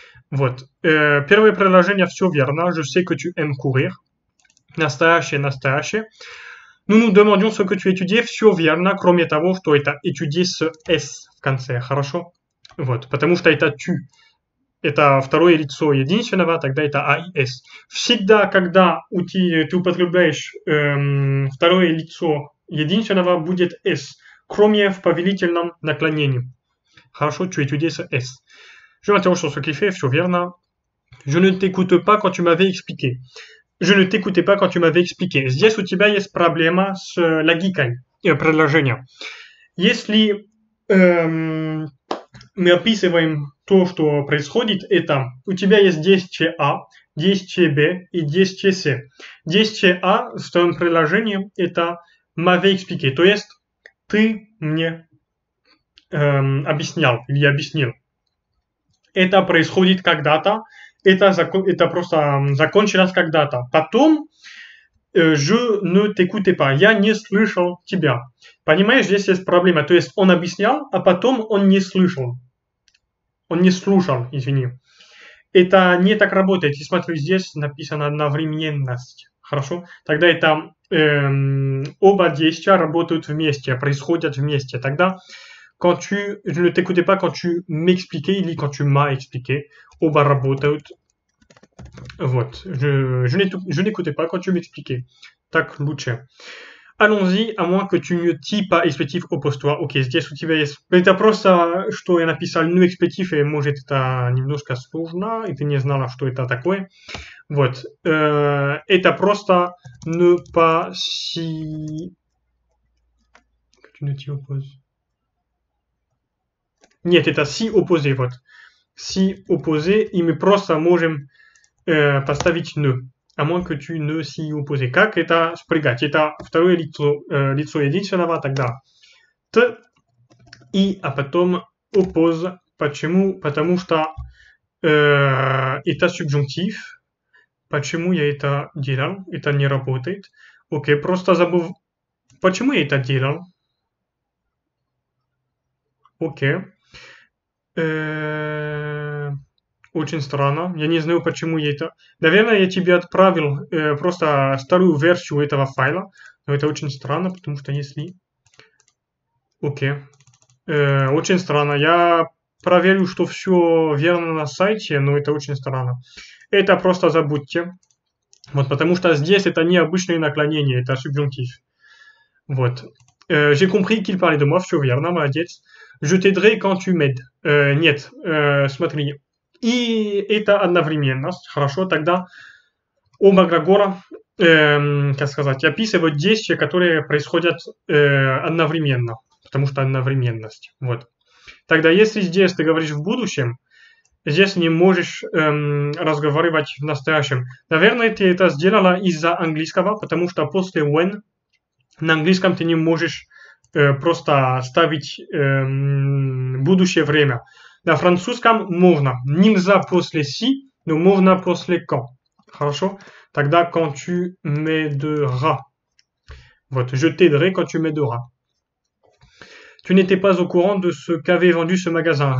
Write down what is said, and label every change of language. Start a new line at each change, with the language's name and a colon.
Russian: Вот, первое предложение, все верно,
French: je sais que tu aimes courir.
Russian: Настоящее, настоящее.
French: Nous nous demandions ce que tu étudies,
Russian: все верно, кроме того, что это étudier с S в конце, хорошо? Вот, потому что это tu, это второе лицо единственного, тогда это A, I, S. Всегда, когда ты употребляешь второе лицо единственного, будет S, кроме в повелительном наклонении.
French: Хорошо, tu étudies S. Je m'interroge sur ce qu'il fait,
Russian: все верно.
French: Je ne t'écoute pas quand tu m'avais expliqué. Je ne t'écoutais pas quand tu m'avais expliqué.
Russian: Здесь у тебя есть проблема с логикой предложения. Если мы описываем то, что происходит, это у тебя есть действие А, действие Б и действие С. Действие А в твоем предложении это m'avait expliqué, то есть ты мне объяснял или объяснил. Это происходит когда-то. Это просто закончилось когда-то. Потом je ne t'écoutais pas. Я не слышал тебя. Понимаешь, здесь есть проблема. То есть он объяснял, а потом он не слышал. Он не слушал, извини. Это не так работает. И смотрю, здесь написано одновременность. Хорошо? Тогда это оба действия работают вместе, происходят вместе.
French: Тогда quand tu, je ne t'écoutais pas quand tu m'expliquais или quand tu m'as expliqué.
Russian: Оба работают. Вот.
French: Je n'écoutais pas quand tu m'expliquais.
Russian: Так лучше.
French: Allons-y, à moins que tu ne t'y pas expletif oppose-toi.
Russian: Ok, здесь у тебя есть... Это просто, что я написал ne expletif, и может это немножко сложно, и ты не знала, что это такое. Вот. Это просто ne pas si...
French: Que tu ne t'y opposes.
Russian: Нет, это si opposé, вот. Si opposé, и мы просто можем поставить ne.
French: À moins que tu ne s'y opposes.
Russian: Как это спрягать? Это второе лицо, лицо единственного, тогда t. И, а потом oppose. Почему? Потому что это субъюнктив. Почему я это делал? Это не работает. Окей, просто забыл. Почему я это делал? Окей. Очень странно. Я не знаю, почему я это... Наверное, я тебе отправил просто старую версию этого файла. Но это очень странно, потому что если... Окей. Очень странно. Я проверю, что все верно на сайте, но это очень странно. Это просто забудьте. Вот, потому что здесь это не обычное наклонение, это субъюнктив. Вот.
French: J'ai compris qu'il parlait de moi,
Russian: все верно, молодец.
French: Je t'aiderai quand tu m'aides.
Russian: Нет, смотри. И это одновременность. Хорошо, тогда оба глагола, как сказать, описывают действия, которые происходят одновременно. Потому что одновременность. Вот. Тогда если здесь ты говоришь в будущем, здесь не можешь разговаривать в настоящем. Наверное, ты это сделала из-за английского, потому что после when на английском ты не можешь просто ставить будущее время. На французском можно. Нельзя после si, но можно после quand. Хорошо?
French: Тогда quand tu m'aideras.
Russian: Вот.
French: Je t'aiderai quand tu m'aideras. Tu n'étais pas au courant de ce qu'avait vendu ce magasin.